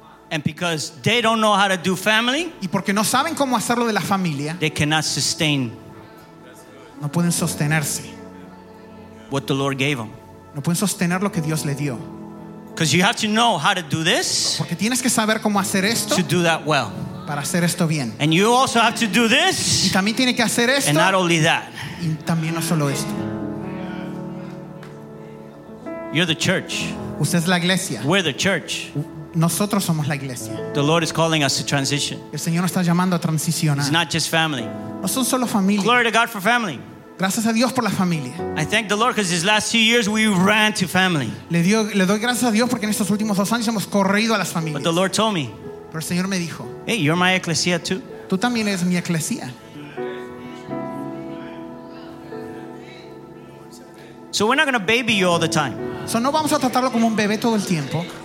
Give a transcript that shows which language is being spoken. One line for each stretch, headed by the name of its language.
English: And because they don't know how to do family,
Spanish: y porque no saben cómo hacerlo de la familia,
English: they cannot sustain.
Spanish: No pueden sostenerse.
English: What the Lord gave them.
Spanish: No pueden sostener lo que Dios le dio.
English: Because you have to know how to do this.
Spanish: Porque tienes que saber cómo hacer esto.
English: To do that well.
Spanish: Para hacer esto bien.
English: And you also have to do this.
Spanish: Y también tiene que hacer esto.
English: And not only that.
Spanish: Y también no solo esto.
English: You're the church.
Spanish: Usted es la iglesia.
English: We're the church.
Spanish: Nosotros somos la iglesia.
English: The Lord is calling us to transition.
Spanish: El Señor nos está llamando a transicionar.
English: It's not just family.
Spanish: No son solo familia.
English: Glory to God for family.
Spanish: Gracias a Dios por la familia.
English: I thank the Lord because these last 2 years we ran to family.
Spanish: Le doy gracias a Dios porque en estos últimos 2 años hemos corrido a las familias.
English: But the Lord told me.
Spanish: Pero el Señor me dijo.
English: Hey, you're my ecclesia too.
Spanish: Tú también eres mi ecclesia.
English: So we're not going to baby you all the time.
Spanish: So no vamos a tratarlo como un bebé todo el tiempo.